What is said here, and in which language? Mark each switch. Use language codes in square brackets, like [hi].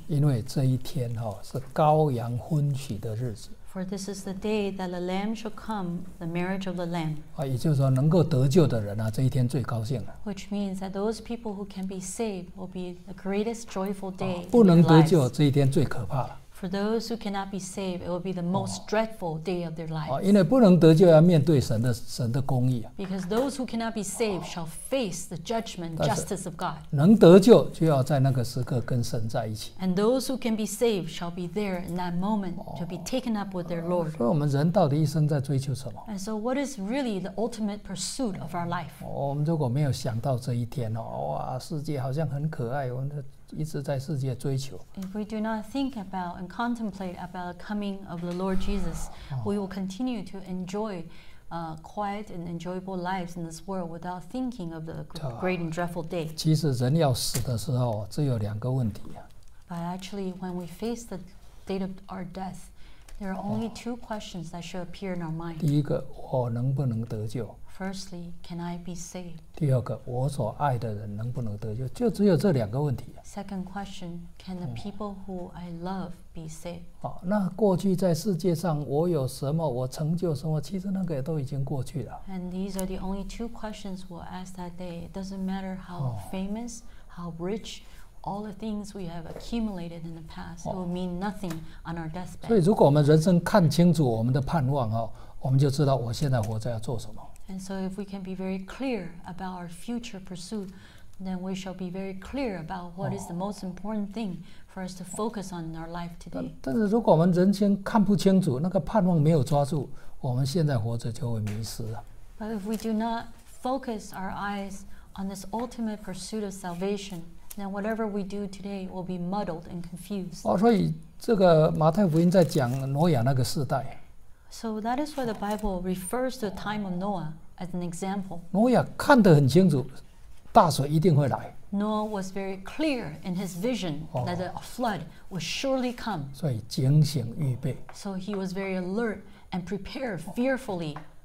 [zh] 因为这一天哦，是羔羊婚娶的日子。 [en] For this is the day that the Lamb shall come, the marriage of the Lamb. [zh] 啊，也就是说，能够得救的人啊，这一天最高兴了。 [en] Which means that those people who can be saved will be the greatest joyful day. [zh] 不能得救，这一天最可怕了。 [en] For those who cannot be saved, it will be the most dreadful day of their lives. [zh] 因为不能得救要面对神的公义、啊、 [en] Because those who cannot be saved shall face the judgment and justice of God. [zh] 能得救就要在那个时刻跟神在一起。 [en] And those who can be saved shall be there in that moment to be taken up with their Lord. [zh] 所以我们人到底一生在追求什么? [en] And so what is really the ultimate pursuit of our life? [zh] 我们如果没有想到这一天、哦、哇世界好像很可爱我们的一直在世界追求。 [en] If we do not think about and contemplate about the coming of the Lord Jesus, we will continue to enjoy quiet and enjoyable lives in this world without thinking of the great and dreadful day. [zh] 其实人要死的时候，只有两个问题、啊、 [en] But actually, when we face the date of our death, there are only two questions that should appear in our mind. [zh] 第一个，我能不能得救？ [en] Firstly, can I be saved? [zh] 第二个，我所爱的人能不能得救？就只有这两个问题。 [en] Second question, can the people who I love be saved? [zh] 好，那过去在世界上我有什么，我成就什么，其实那个也都已经过去了。 [en] And these are the only two questions we'll ask that day. It doesn't matter how famous, how rich, all the things we have accumulated in the past will mean nothing on our deathbed. [zh] 所以如果我们人生看清楚我们的盼望，我们就知道我现在活着要做什么。 [en] And so if we can be very clear about our future pursuit, then we shall be very clear about what is the most important thing for us to focus on in our life today. [zh] 但是如果我们人生看不清楚，那个盼望没有抓住，我们现在活着就会迷失啊。 [en] But if we do not focus our eyes on this ultimate pursuit of salvation, then whatever we do today will be muddled and confused. [zh] 所以这个马太福音在讲挪亚那个世代。 [en] So that is why the Bible refers to the time of Noah as an example. [zh] Noah 看得很清楚，大水一定会来。 [en] Noah was very clear in his vision that a flood would surely come. [zh] 所以警醒预备。 So he was very alert and prepared fearfully.